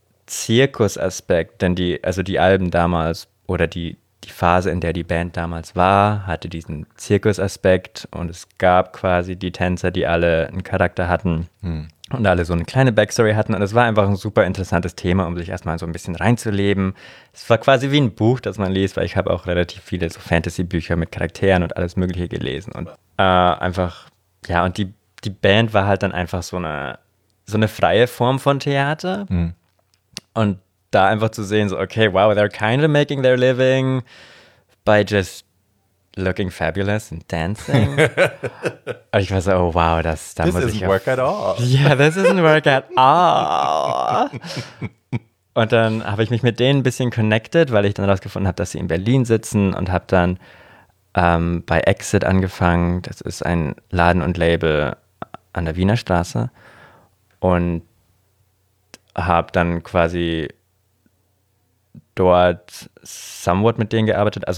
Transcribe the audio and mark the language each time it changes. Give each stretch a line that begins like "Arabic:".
German: Zirkusaspekt, denn die Alben damals oder die Phase, in der die Band damals war, hatte diesen Zirkusaspekt und es gab quasi die Tänzer, die alle einen Charakter hatten und alle so eine kleine Backstory hatten und es war einfach ein super interessantes Thema, um sich erstmal so ein bisschen reinzuleben. Es war quasi wie ein Buch, das man liest, weil ich habe auch relativ viele so Fantasy-Bücher mit Charakteren und alles Mögliche gelesen und einfach, ja, und die Band war halt dann einfach so eine freie Form von Theater. Mhm. Und da einfach zu sehen,
English: so, okay, wow, they're kind of making their living by just looking fabulous and dancing.
German: Und ich war so, oh, wow, das, da
English: this
German: muss ich
English: This isn't work at all. Yeah, this isn't work at all.
German: Und dann habe ich mich mit denen ein bisschen connected, weil ich dann rausgefunden habe, dass sie in Berlin sitzen und habe dann bei Exit angefangen. Das ist ein Laden und Label an der Wiener Straße. Und habe dann quasi dort somewhat mit denen gearbeitet.